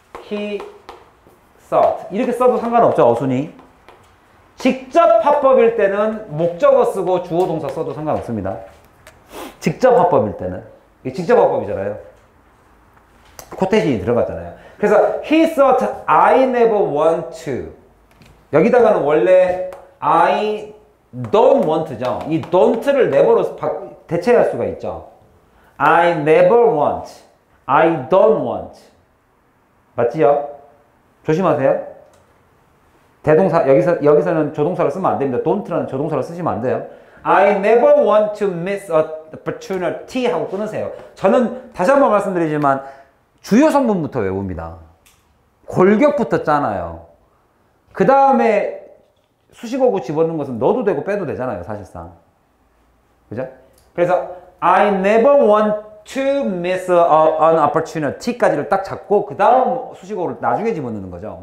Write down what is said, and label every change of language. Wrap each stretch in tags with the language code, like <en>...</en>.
<en>He thought.</en> <ko>이렇게 써도 상관없죠, 어순이. 직접화법일 때는 목적어 쓰고 주어동사 써도 상관없습니다. 직접화법일 때는. 이게 직접화법이잖아요. 코테신이 들어갔잖아요. 그래서</ko> <en>he thought I never want to.</en> <ko>여기다가는 원래</ko> <en>I don't want죠.</en> <ko>이 don't를 never로 대체할 수가 있죠.</ko> <en>I never want. I don't want.</en> <ko>맞지요? 조심하세요. 대동사 여기서는 조동사를 쓰면 안 됩니다. don't라는 조동사를 쓰시면 안 돼요.</ko> <en>I never want to miss a opportunity</en> <ko>하고 끊으세요. 저는 다시 한번 말씀드리지만 주요 성분부터 외웁니다. 골격부터 짜나요. 그 다음에 수식어구 집어넣는 것은 넣어도 되고 빼도 되잖아요, 사실상. 그죠? 그래서</ko> <en>I never want to miss an opportunity</en> <ko>까지를 딱 잡고 그 다음 수식어를 나중에 집어넣는 거죠.</ko>